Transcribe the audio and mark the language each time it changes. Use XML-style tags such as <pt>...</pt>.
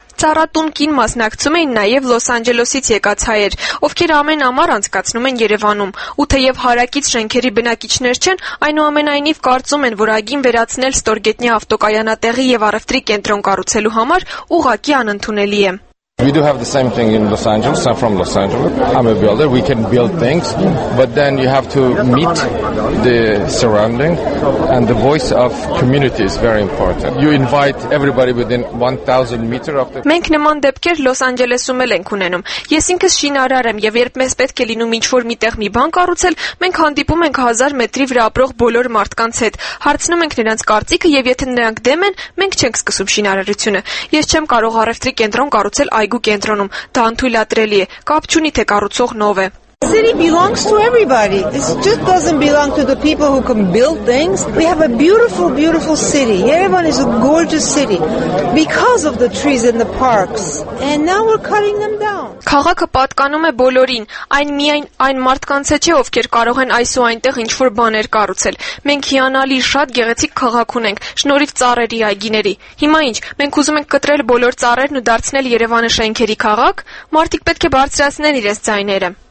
<hy>Ծառատուն կին մասնակցում էին նաև Լոս Անջելոսից եկած հայեր, ովքեր ամեն ամառ անցկացնում են Երևանում, ու թեև հարակից շենքերի բնակիչներ չեն, այնուամենայնիվ կարծում են, որ այգին վերացնել ստորգետնի ավտոկայանատեղի եւ առևտրի կենտրոն կառուցելու համար ուղղակի անընդունելի է։</hy> <en>We do have the same thing in Los Angeles. I'm from Los Angeles. I'm a builder. We can build things, but then you have to meet the surrounding, and the voice of community is very important. You invite everybody within 1,000 meters of the.</en> <hy>Մենք նման դեպքեր Los Angeles-ում էլ ենք ունենում. Ես ինքս շինարար եմ, եւ երբ մեզ պետք է լինում ինչ-որ միտեղ մի բան կառուցել, մենք հանդիպում ենք 1000 մետրի վրա ապրող բոլոր մարդկանց հետ, հարցնում ենք նրանց կարծիքը, եւ եթե նրանք դեմ են, մենք չենք սկսում շինարարությունը։ Ես չեմ կարող առևտրի կենտրոն կառուցել այգու կենտրոնում, դա անթույլատրելի է, կապ չունի թե կառուցողն ով է։</hy> <en>The city belongs to everybody. It just doesn't belong to the people who can build things. We have a beautiful, beautiful city. Yerevan is a gorgeous city because of the trees and the parks. And now we're cutting them down.</en> <hy>Քաղաքը պատկանում է բոլորին, այն միայն այն մարդկանց է չէ, ովքեր կարող են այս ու այնտեղ ինչ-որ բաներ կառուցել։ Մենք հիանալի շատ գեղեցիկ քաղաք ունենք, շնորհիվ ծառերի այգիների։ Հիմա ինչ, մենք ուզում ենք կտրել բոլոր ծառերն ու դարձնել Երևանը շենքերի քաղաք, մարդիկ պետք է բարձրացնեն իրենց ձայները։</hy>